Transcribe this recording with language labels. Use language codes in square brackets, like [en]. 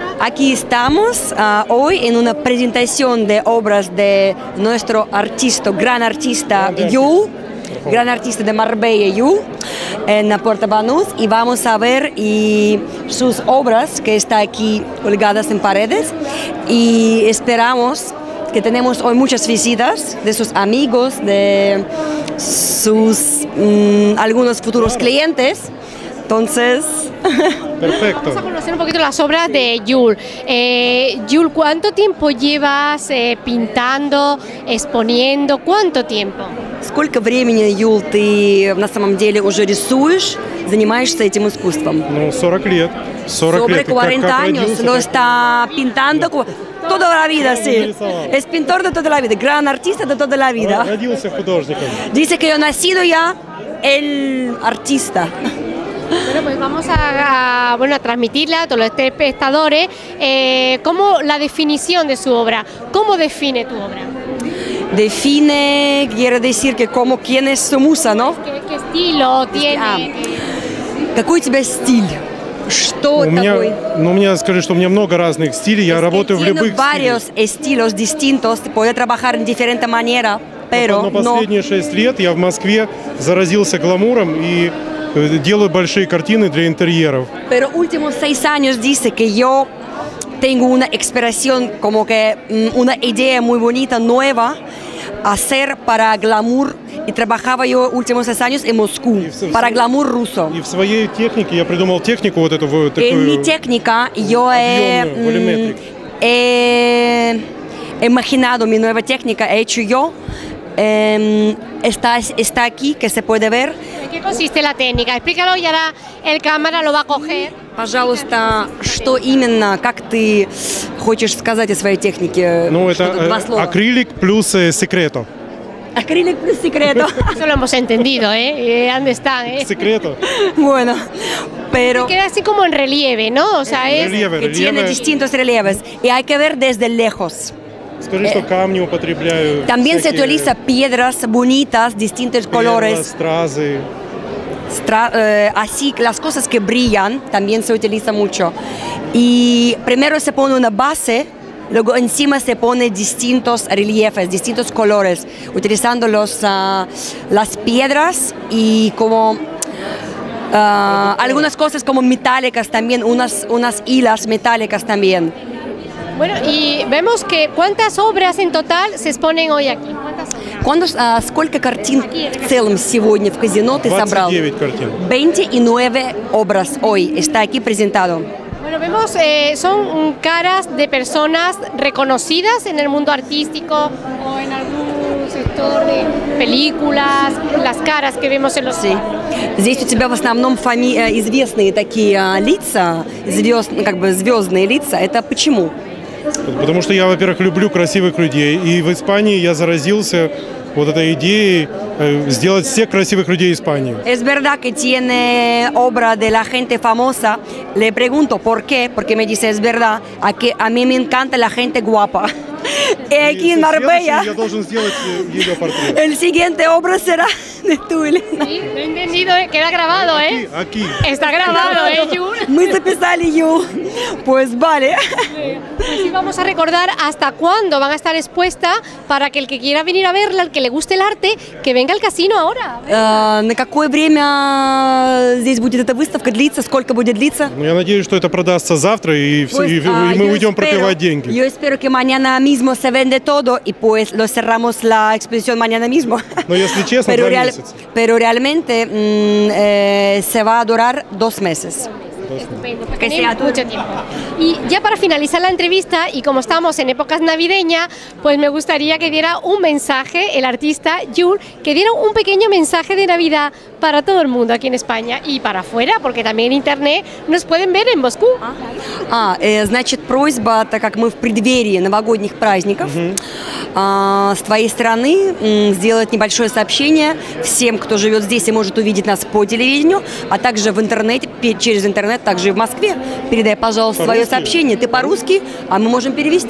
[es] Aquí estamos hoy en una presentación de obras de nuestro artista, gran artista Yu, gran artista de Marbella Yu, en Puerto Banús, y vamos a ver y sus obras que están aquí colgadas en paredes, y esperamos que tenemos hoy muchas visitas de sus amigos, de sus algunos futuros clientes. Entonces, perfecto. Vamos a conocer un poquito las obras de Yul. Yul, ¿cuánto tiempo llevas pintando, exponiendo? ¿Cuánto tiempo? [ru] Сколько времени, Юл, ты на самом деле уже рисуешь, занимаешься этим искусством? Ну, 40 лет. 40 [es] Sobre 40 años, lo está pintando toda la vida, sí. Es pintor de toda la vida, gran artista de toda la vida. [ru] Родился художником. [es] Dice que yo nacido ya el artista. Bueno, pues vamos a transmitirle a todos los espectadores cómo la definición de su obra. ¿Cómo define tu obra? Define, quiere decir que como quién es su musa, ¿no? ¿Qué estilo tiene? [ru] ¿Какой у тебя стиль? Что у меня, такой? Ну, у меня, скажи, что у меня много разных стилей, я работаю в любых стилях. [es] Tiene varios estilos distintos, puede trabajar en diferente manera, pero... [ru] Но последние 6 лет я в Москве заразился гламуром и делаю большие картины для интерьеров. [es] Pero últimos 6 años dice que yo tengo una expresión, como que una idea muy bonita, nueva, hacer para glamour, y trabajaba yo últimos 6 años en Moscú, para glamour ruso. [ru] Y в своей технике я придумал технику вот эту вот такую. [es] En mi técnica yo he imaginado mi nueva técnica, he hecho yo, está aquí, que se puede ver. ¿En qué consiste la técnica? Explícalo y ahora el cámara lo va a coger. [ru] Пожалуйста, что именно, как ты хочешь сказать о своей технике? Ну, это акрилик плюс секрето. Акрилик плюс секрето. [es] Eso lo hemos entendido, ¿eh? ¿Dónde están, eh? [ru] Секрето. [es] Bueno, pero... Queda así como en relieve, ¿no? O sea, es... Relieve, que relieve. Tiene distintos relieves. Y hay que ver desde lejos. [ru] Скажи, что камни употребляю. [es] También [ru] всякие... [es] se utiliza piedras bonitas, distintos colores. [ru] Стразы. [es] Así las cosas que brillan también se utiliza mucho, y primero se pone una base, luego encima se pone distintos relieves, distintos colores, utilizando las piedras y como algunas cosas como metálicas también, unas hilas metálicas también. Bueno, y vemos que cuántas obras en total se exponen hoy aquí. [ru] Сколько картин в целом сегодня в казино ты собрал? 29 образ [es] hoy está aquí presentado. Bueno, vemos, son caras de personas reconocidas en el mundo artístico o en algún sector de películas, las caras que vemos en los... Sí. [ru] Здесь у тебя в основном известные такие лица, звездные лица. Это почему? Потому что я, во-первых, люблю красивых людей, и в Испании я заразился вот этой идеей сделать всех красивых людей Испании. [es] Es verdad que tiene obra de la gente famosa. Le pregunto por qué, porque me dice es verdad, a mí me encanta la gente guapa. Y aquí en Marbella. [ru] Я должен сделать ее портрет. [es] El siguiente obra será de tú, Elena. Sí, lo he entendido, queda grabado, ¿eh? Aquí. Está grabado, ¿eh, Yu? [ru] Мы записали Yu. [es] Pues vale. Así vamos a recordar hasta cuándo van a estar expuestas, para que el que quiera venir a verla, el que le guste el arte, que venga al casino ahora. [ru] ¿На какое время здесь будет эта выставка длиться? Сколько будет длиться? Я надеюсь, что это продастся завтра, и, и мы уйдем пропивать деньги. [es] Yo espero que mañana mismo se vende todo, y pues lo cerramos la exposición mañana mismo. [ru] Но если честно, [es] pero realmente se va a durar 2 meses. Estupendo, que sea mucho tiempo. Y ya para finalizar la entrevista, y como estamos en épocas navideñas, pues me gustaría que diera un mensaje el artista Jul, que diera un pequeño mensaje de Navidad para todo el mundo aquí en España y para afuera, porque también en internet nos pueden ver en Moscú. [ru] Значит, просьба, так как мы в преддверии новогодних праздников, с твоей стороны сделать небольшое сообщение всем, кто живет здесь и может увидеть нас по телевидению, а также в интернете, через интернет, также и в Москве. Передай, пожалуйста, свое сообщение. Ты по-русски, а мы можем перевести.